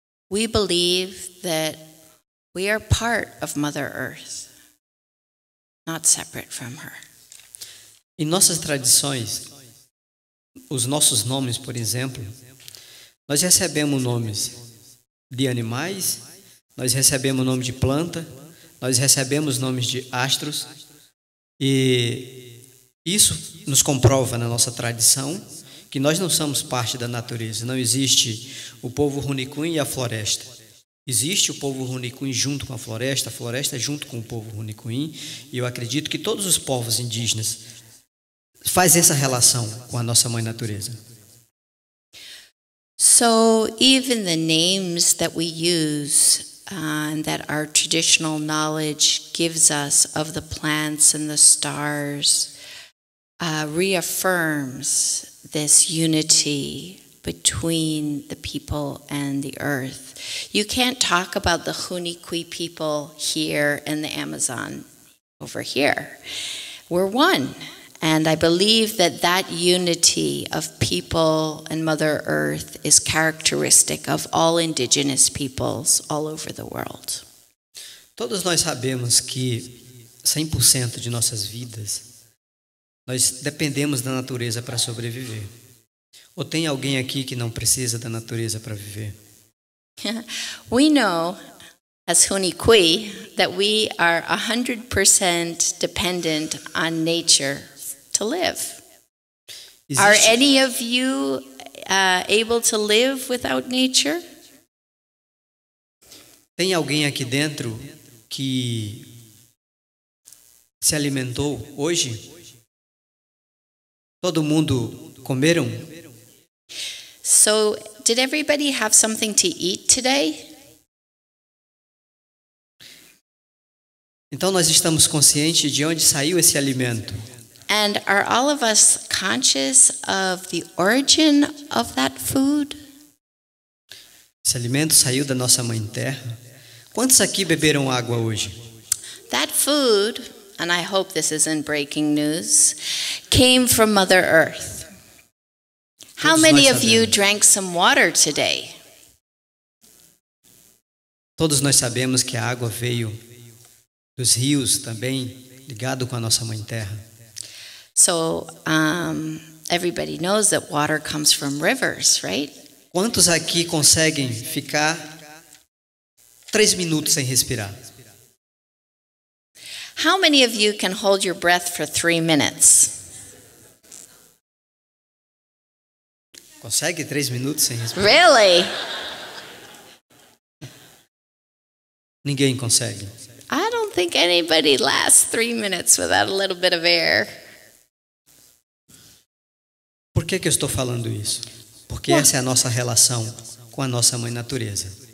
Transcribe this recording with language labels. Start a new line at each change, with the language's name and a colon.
English: We believe that we are part of Mother Earth, not separate from her.
Portuguese: Em nossas tradições, os nossos nomes, por exemplo, nós recebemos nomes de animais, nós recebemos nome de planta, nós recebemos nomes de astros, e isso nos comprova na nossa tradição que nós não somos parte da natureza. Não existe o povo Hunikwin e a floresta. Existe o povo Hunikwin junto com a floresta junto com o povo Hunikwin, e eu acredito que todos os povos indígenas fazem essa relação com a nossa mãe natureza.
English: So even the names that we use and that our traditional knowledge gives us of the plants and the stars reaffirms this unity between the people and the earth. You can't talk about the Hunikwi people here and the Amazon over here. We're one. And I believe that that unity of people and Mother Earth is characteristic of all indigenous peoples all over the world.
Portuguese: Todos nós sabemos que 100% de nossas vidas nós dependemos da natureza para sobreviver. Ou tem alguém aqui que não precisa da natureza para viver?
English: We know, as Hunikwi, that we are 100% dependent on nature to live. Existe... Are any of you able to live without nature?
Portuguese: Tem alguém aqui dentro que se alimentou hoje? Todo mundo comeram?
English: So, did everybody have something to eat today?
Portuguese: Então nós estamos conscientes de onde saiu esse alimento.
English: And are all of us conscious of the origin of that food?
Portuguese: Esse alimento saiu da nossa mãe terra. Quantos aqui beberam água hoje?
English: That food, and I hope this isn't breaking news, came from Mother Earth. How many of you drank some water today?
Portuguese: Todos nós sabemos que a água veio dos rios também, ligado com a nossa mãe terra.
English: So, everybody knows that water comes from rivers, right?
Portuguese: Quantos aqui conseguem ficar 3 minutos sem respirar?
English: How many of you can hold your breath for 3 minutes?
Portuguese: Consegue 3 minutos sem respirar?
English: Really?
Portuguese: Ninguém consegue.
English: I don't think anybody lasts 3 minutes without a little bit of air.
Portuguese: Por que que eu estou falando isso? Porque essa é a nossa relação com a nossa mãe natureza.